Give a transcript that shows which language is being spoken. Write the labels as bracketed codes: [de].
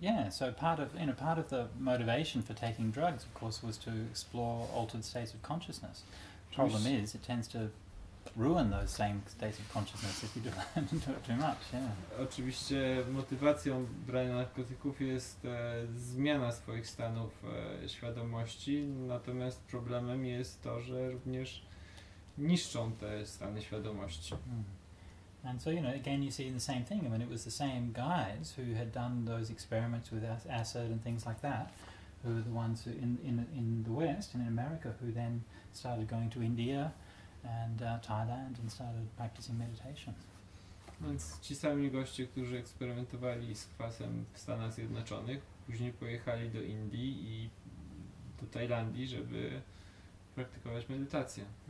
[en] So part of the motivation for taking drugs, of course, was to explore altered states of consciousness. Problem is, it tends to ruin those same states of consciousness if you don't do it too much. [pl] Oczywiście motywacją brania narkotyków jest zmiana swoich stanów świadomości, natomiast problemem jest to, że również niszczą te stany świadomości. [en] And so, you know, again, you see the same thing. I mean, it was the same guys who had done those experiments with acid and things like that, who were the ones who in the West and in America who then started going to India and Thailand and started practicing meditation. [pl] Więc ci sami goście, którzy eksperymentowali z kwasem w Stanach Zjednoczonych, później pojechali do Indii i do Tajlandii, żeby praktykować medytację.